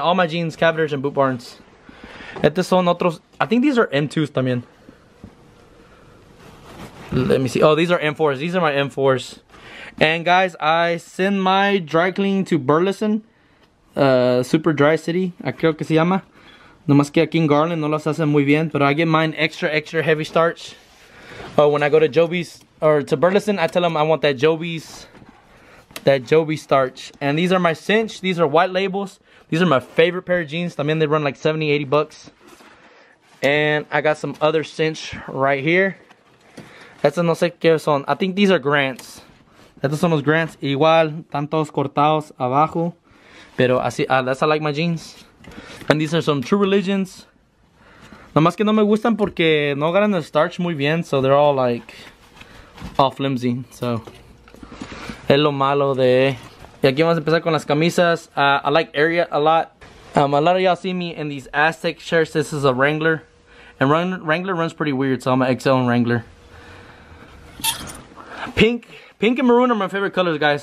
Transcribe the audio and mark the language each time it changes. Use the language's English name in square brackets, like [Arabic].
[English] All my jeans, Cavenders and Boot Barns. [Spanish] Estos son otros, [English] I think these are M2s [Spanish] también. [English] Let me see, oh, these are M4s, these are my M4s. And guys, I send my dry cleaning to Burleson. [Spanish] Super Dry City, creo que se llama. Nomás que aquí en Garland no los hacen muy bien. [English] But I get mine extra, extra heavy starch. When I go to Joby's or to Burleson, I tell them I want that Joby's, that Joby starch. And these are my cinch. These are white labels. These are my favorite pair of jeans. [Spanish] También [English] they run like 70, 80 bucks. And I got some other cinch right here. [Spanish] Estos no sé qué son. [English] I think these are Grants. [Spanish] Estos son los Grants. Igual, tantos cortados abajo. Pero así, [English] that's how I like my jeans. And these are some True Religions. [Spanish] Nomás que no me gustan porque no agarran el starch muy bien. [English] So they're all like, all flimsy. [Spanish] So, es lo malo de... Y aquí vamos a empezar con las camisas. [English] I like Ariat a lot. A lot of y'all see me in these Aztec shirts. This is a Wrangler. And Wrangler runs pretty weird. So I'm an XL and Wrangler. Pink. Pink and maroon are my favorite colors, guys.